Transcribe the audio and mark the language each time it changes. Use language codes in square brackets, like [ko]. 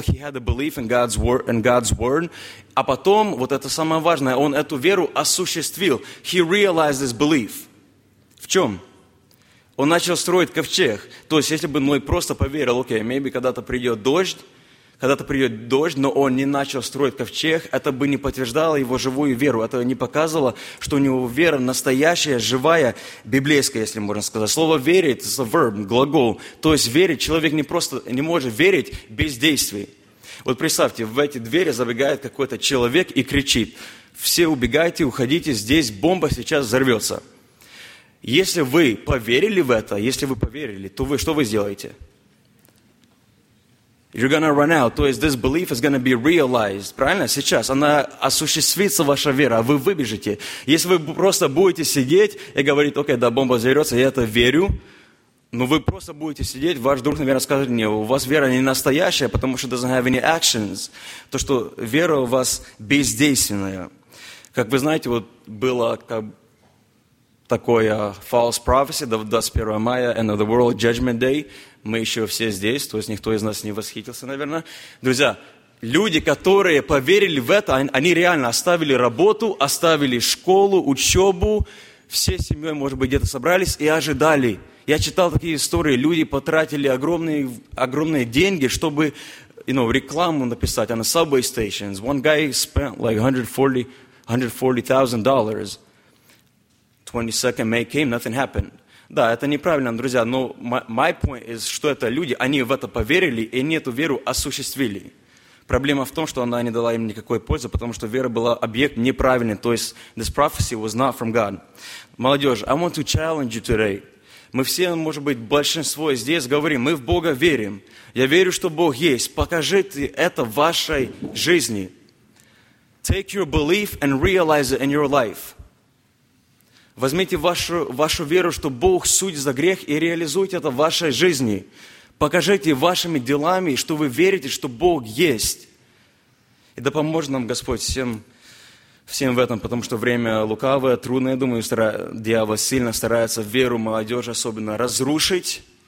[en] He had a belief in God's word. [ru] А потом, вот это самое важное, он эту веру осуществил. [en] He realized his belief. [ru] В чем? Он начал строить ковчег. То есть, если бы Ной просто поверил: «Окей, maybe когда-то придет дождь», но он не начал строить ковчег, это бы не подтверждало его живую веру, это не показывало, что у него вера настоящая, живая, библейская, если можно сказать. Слово «верить» – это verb, глагол. То есть верить, человек не может верить без действий. Вот представьте, в эти двери забегает какой-то человек и кричит: «Все убегайте, уходите, здесь бомба сейчас взорвется». Если вы поверили в это, то вы что вы сделаете? [en] You're going to run out. [ru] То есть [en] this belief is going to be realized. [ru] Правильно? Сейчас она осуществится, ваша вера, а вы выбежите. Если вы просто будете сидеть и говорить: «Окей, да, бомба взорвется, я это верю», но вы просто будете сидеть, ваш друг, наверное, скажет: «Не, у вас вера не настоящая, потому что [en] doesn't have any actions». [ru] То, что вера у вас бездейственная. Как вы знаете, вот было как такое [en] false prophecy, [ru] 21 мая, [en] end of the world, judgment day. [ru] Мы еще все здесь, то есть никто из нас не восхитился, наверное. Друзья, люди, которые поверили в это, они реально оставили работу, оставили школу, учебу, все семьей, может быть, где-то собрались и ожидали. Я читал такие истории, люди потратили огромные деньги, чтобы, [en] you know, [ru] рекламу написать на [en] subway stations. One guy spent like $140,000. 22nd May came, nothing happened. [ru] Да, это неправильно, друзья, но [en] my point is, [ru] что это люди, они в это поверили и эту веру осуществили. Проблема в том, что она не дала им никакой пользы, потому что вера была объект неправильный. То есть, [en] this prophecy was not from God. [ru] Молодежь, [en] I want to challenge you today. [ru] Мы все, может быть, большинство здесь говорим, мы в Бога верим. Я верю, что Бог есть. Покажите это в вашей жизни. [en] Take your belief and realize it in your life. [ru] Возьмите вашу веру, что Бог судит за грех, и реализуйте это в вашей жизни. Покажите вашими делами, что вы верите, что Бог есть. И да поможет нам Господь всем в этом, потому что время лукавое, трудное, думаю, дьявол сильно старается веру молодежи особенно разрушить.